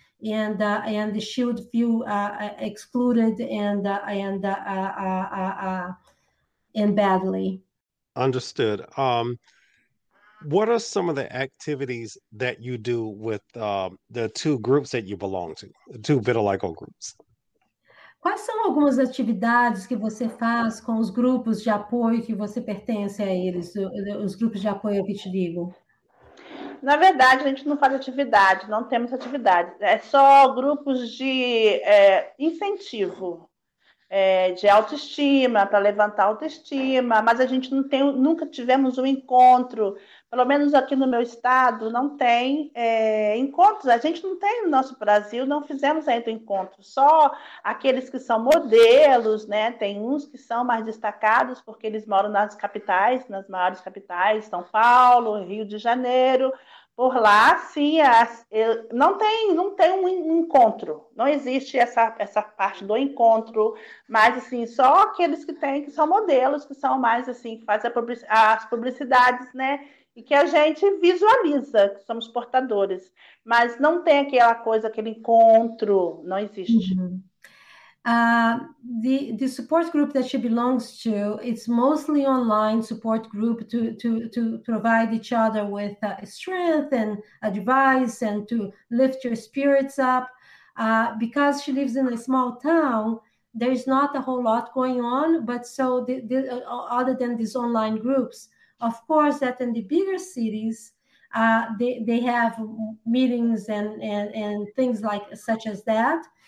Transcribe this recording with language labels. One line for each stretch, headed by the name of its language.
English: And she would feel excluded and badly. Understood. What are some of the activities that you do with the two groups that you belong to, the two vitiligo groups?
Portuguese: Quais são algumas atividades que você faz com os grupos de apoio que você pertence a eles, os grupos de apoio ao vitiligo? Na verdade, a gente não faz atividade, não temos atividade. É só grupos de incentivo, de autoestima, para levantar autoestima, mas a gente não tem, nunca tivemos um encontro. Pelo menos aqui no meu estado, não tem encontros. A gente não tem no nosso Brasil, não fizemos ainda encontro. Só aqueles que são modelos, né? Tem uns que são mais destacados, porque eles moram nas capitais, nas maiores capitais, São Paulo, Rio de Janeiro. Por lá, sim, não tem um encontro. Não existe essa parte do encontro. Mas, assim, só aqueles que têm, que são modelos, que são mais, assim, fazem as publicidades, né? E que a gente visualiza que somos portadores, mas não tem aquela coisa, aquele encontro, não existe.
English: The support group that she belongs to, it's mostly online support group to provide each other with strength and advice and to lift your spirits up. Because she lives in a small town, there's not a whole lot going on, but so other than these online groups, of course, that in the bigger cities, they have meetings and things like such as that.